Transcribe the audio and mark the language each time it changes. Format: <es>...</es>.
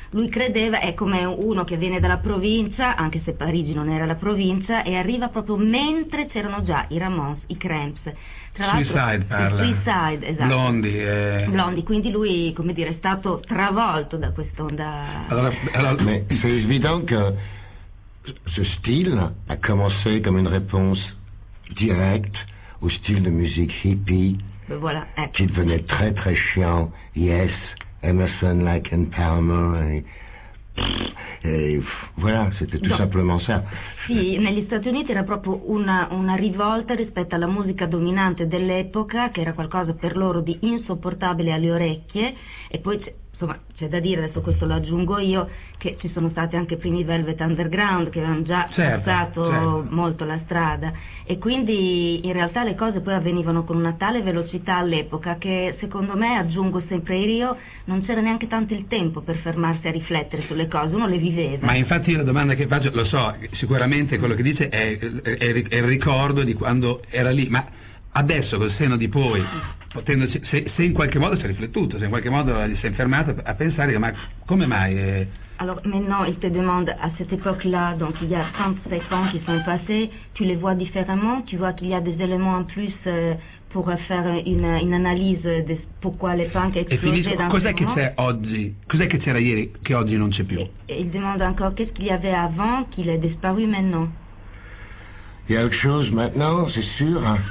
<it>Lui credeva, è come uno che viene dalla provincia, anche se Parigi non era la provincia, e arriva proprio mentre c'erano già i Ramones, i Cramps. Tra l'altro, Suicide parla. Suicide, esatto. Blondie, quindi lui, come dire, è stato travolto da quest'onda. Allora,</it> <fr>c'est évident que ce style a commencé comme une réponse directe au style de musique hippie. Ben voilà,</fr> <it>ecco.</it> <fr>Qui devenait très très chiant. Yes, Emerson, Lake and Palmer, voilà, c'était tout simplement ça.</fr> <it>Sì, negli Stati Uniti era proprio una rivolta rispetto alla musica dominante dell'epoca, che era qualcosa per loro di insopportabile alle orecchie. E poi insomma, c'è da dire, adesso questo lo aggiungo io, che ci sono stati anche i primi Velvet Underground, che avevano già passato molto la strada. E quindi in realtà le cose poi avvenivano con una tale velocità all'epoca che, secondo me, aggiungo sempre io, non c'era neanche tanto il tempo per fermarsi a riflettere sulle cose, uno le viveva. Ma infatti la domanda che faccio, lo so, sicuramente quello che dice è il ricordo di quando era lì, ma adesso col senno di poi, se in qualche modo si è riflettuto, se in qualche modo si è fermato a pensare, ma come mai?</it> <fr>Alors maintenant, il te demande à cette époque-là, donc il y a 35 ans qui sont passés, tu les vois différemment, tu vois qu'il y a des éléments en plus pour faire une analyse de pourquoi les punks explosent dans ce moment. Et finis,</fr> <it>cos'è che c'è oggi? Cos'è che c'era ieri che oggi non c'è più?</it> <fr>Et il demande encore, qu'est-ce qu'il y avait avant qu'il ait disparu maintenant? Il y a autre chose maintenant, c'est sûr.</fr>